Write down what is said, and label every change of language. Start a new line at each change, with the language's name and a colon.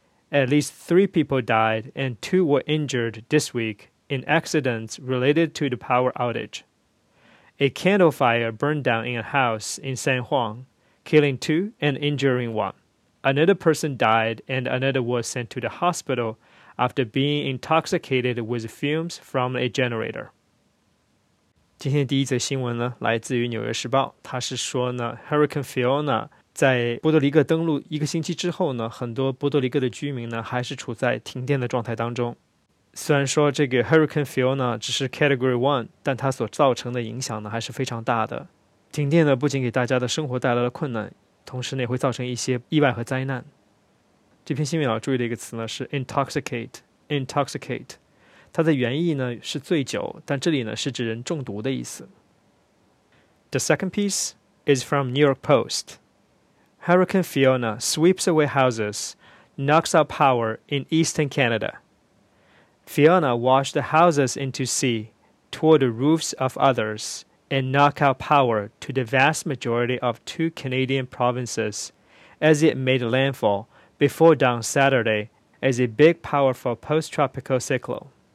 English: At least three people died and two were injured this week in accidents related to the power outage. A candle fire burned down in a house in San Juan, killing two and injuring one. Another person died and another was sent to the hospital after being intoxicated with fumes from a generator.
Chinese: 今天第一则新闻呢来自于纽约时报。它是说呢 ,Hurricane Fiona 在波多黎各登陆一个星期之后呢很多波多黎各的居民呢还是处在停电的状态当中。虽然说这个 Hurricane Fiona 只是 Category 1, 但它所造成的影响呢还是非常大的。停电呢不仅给大家的生活带来了困难，同时呢也会造成一些意外和灾难。这篇新闻要注意的一个词呢是 intoxicate, intoxicate。它的原意呢是醉酒，但这里呢是指人中毒的意思。
English: The second piece is from New York Post. Hurricane Fiona sweeps away houses, knocks out power in eastern Canada. Fiona washed the houses into sea, tore the roofs of others, and knocked out power to the vast majority of two Canadian provinces as it made landfall before dawn Saturday as a big powerful post-tropical cyclone.